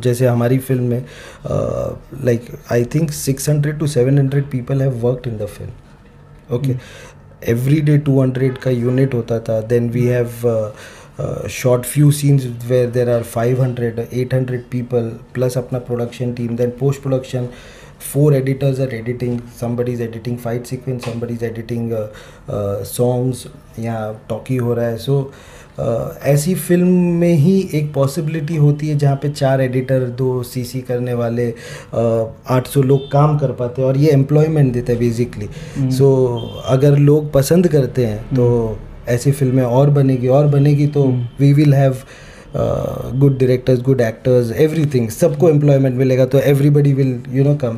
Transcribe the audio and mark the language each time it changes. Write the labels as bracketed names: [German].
[Hindi] जैसे हमारी फिल्म में [English] Like I think 600 to 700 people have worked in the film. Okay, every day [Hindi] 200 का unit होता था, [English] then we have short few scenes where there are 500 800 people plus अपना production team, then post production four editors are editing, somebody is editing fight sequence, somebody is editing songs, yeah, talkie [Hindi] ho raha hai. So ऐसी film में ही एक possibility होती है जहाँ पे चार editor, दो सीसी करने वाले, 800 लोग काम कर पाते हैं और ये एम्प्लॉयमेंट देता है बेसिकली. सो अगर लोग पसंद करते हैं तो ऐसी फिल्में और बनेगी तो [English] we will have good directors, good actors, [Hindi] everything, सबको एम्प्लॉयमेंट मिलेगा तो [English] Everybody will you know come.